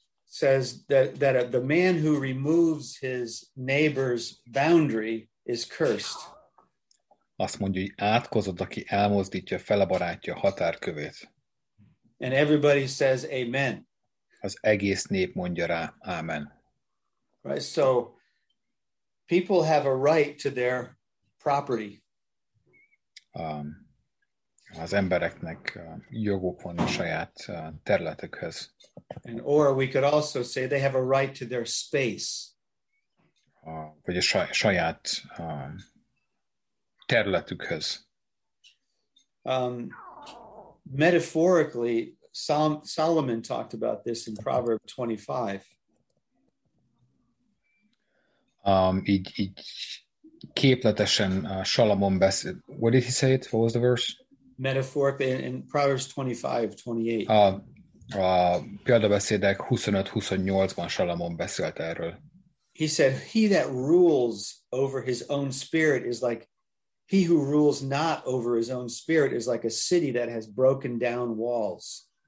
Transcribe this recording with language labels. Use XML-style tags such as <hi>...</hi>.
<en>Says that the man who removes his neighbor's boundary is cursed.</en> <hu>Azt mondja, hogy átkozott, aki elmozdítja fele barátja határkövét.</hu> <en>And everybody says amen.</en> <hu>Az egész nép mondja rá, amen.</hu> <en>Right, so people have a right to their property.</en> <hu>Az embereknek jogok van a saját területükhöz.</hu> <en>And or we could also say they have a right to their space.</en> <hu>Vagy a saját területükhöz.</hu> <en>Metaphorically, Solomon talked about this in Proverbs 25.</en> <hu>Így képletesen Salomon beszél.</hu> <en>What did he say it? What was the verse? Metaphorically in Proverbs 25:28.</en> <hu>A példabeszédek 25-28-ban Salamon beszélt erről.</hu> <en>He said, he that rules over his own spirit is like, he who rules not over his own spirit is like a city that has broken down walls.</en>